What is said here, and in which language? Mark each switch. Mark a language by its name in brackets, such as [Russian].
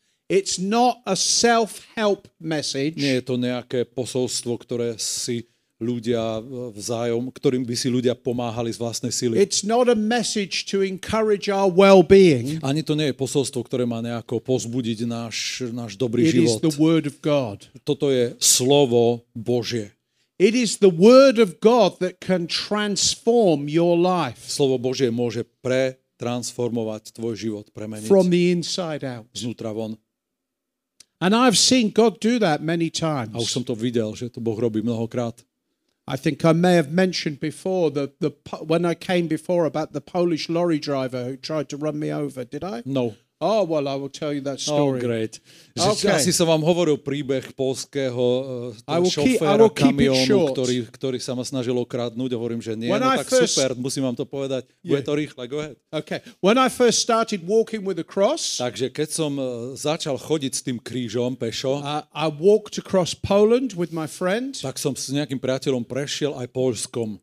[English] It's not a self-help message. [Slovak] Nie je to nejaké posolstvo, ktoré si ľudia vzájom, ktorým by si ľudia pomáhali z vlastnej sily. [English] It's not a message to encourage our well-being. [Slovak] Ani to nie je posolstvo, ktoré má nejako pozbudiť náš dobrý [English] it [Slovak] život. [English] It is the word of God. [Slovak] Toto je slovo Božie. [English] It is the word of God that can transform your life. [Slovak] Slovo Božie môže pretransformovať tvoj život, premeniť. [English] From the inside out. [Slovak] Znútra von. [English] And I've seen God do that many times. [Slovak] A už som to videl, že to Boh robí mnohokrát. [English] I think I may have mentioned before the when I came before about the Polish lorry driver who tried to run me over, did I? No. Oh, well, I will tell you that story. Oh, great. Okay. [Slovak] Asi som vám hovoril príbeh poľského šoféra kamionu, ktorý sa ma snažil okradnúť. Hovorím, že nie, [English] when [Slovak] no [English] I [Slovak] tak [English] first... [Slovak] super, musím vám to povedať. [English] Yeah. [Slovak] Bude to rýchle, [English] go ahead. Okay. When I first started walking with a cross, [Slovak] takže keď som začal chodiť s tým krížom pešo, [English] I walked across Poland with my friend. [Slovak] Tak som s nejakým priateľom prešiel aj Poľskom.